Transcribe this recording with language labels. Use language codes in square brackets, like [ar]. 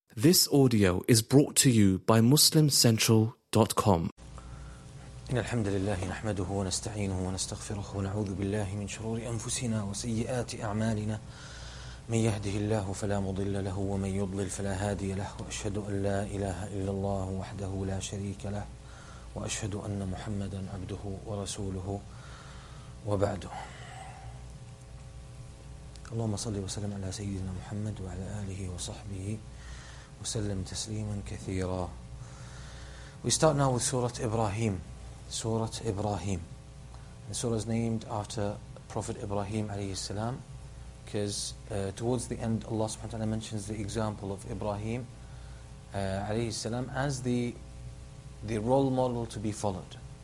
[en] This audio is brought to you by MuslimCentral.com. [ar] إن الحمد لله نحمده ونستعينه ونستغفره ونعوذ بالله من شرور أنفسنا وسيئات أعمالنا من يهده الله فلا مضل له ومن يضلل فلا هادي له وأشهد أن لا إله إلا الله وحده لا شريك له وأشهد أن محمدا عبده ورسوله وبعده. اللهم صل وسلم على سيدنا محمد وعلى آله وصحبه وسلم تسليما كثيرا. [en] We start now with Surah Ibrahim. Surah Ibrahim. The surah is named after Prophet Ibrahim alayhi salam, because towards the end Allah subhanahu wa ta'ala mentions the example of Ibrahim alayhi salam as the role model to be followed.